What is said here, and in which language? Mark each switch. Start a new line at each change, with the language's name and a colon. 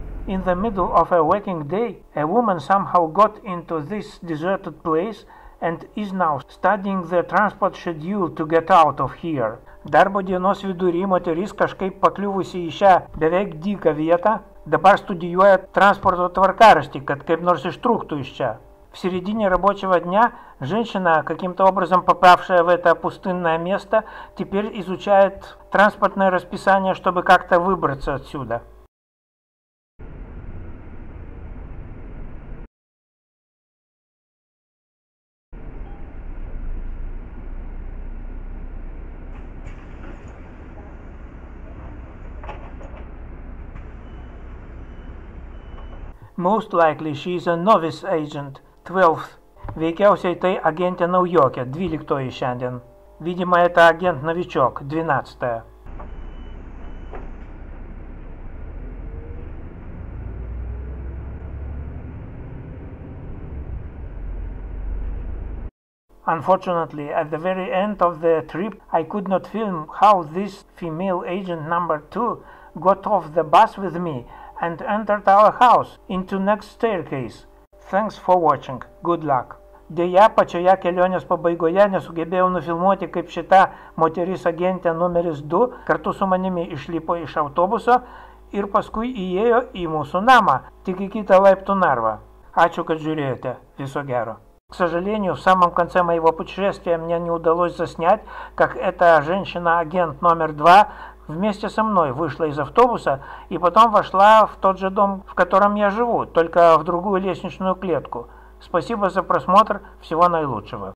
English: In the middle of a working day, a woman somehow got into this deserted place and is now studying the transport schedule to get out of here.
Lithuanian: Darbo dienos vidury moteris kažkaip pakliuvusi į šią beveik dyką vietą, dabar studijuoja transporto tvarkaraštį, kad kaip nors ištrūktų iš čia.
Russian: В середине рабочего дня женщина, каким-то образом попавшая в это пустынное место, теперь изучает транспортное расписание, чтобы как-то выбраться отсюда.
English: Most likely she is a novice agent. 12th.
Lithuanian: Veikiausiai tai agentė naujokė, 12-ое šiandien.
Russian: Видимо, это агент-новичок, 12-ое.
English: Unfortunately, at the very end of the trip, I could not film how this female agent number 2 got off the bus with me and entered our house into next staircase. Thanks for watching. Good luck.
Lithuanian: Deja, pačioje kelionės pabaigoje nesugebėjau nufilmuoti, kaip šita moteris agentė numeris 2 kartu su manimi išlipo iš autobuso ir paskui įėjo į mūsų namą, tik į kitą laiptų narvą. Ačiū, kad žiūrėjote. Viso gero.
Russian: К сожалению, в самом конце моего путешествия мне не удалось заснять, как эта женщина-агент номер 2 вместе со мной вышла из автобуса и потом вошла в тот же дом, в котором я живу, только в другую лестничную клетку. Спасибо за просмотр, всего наилучшего.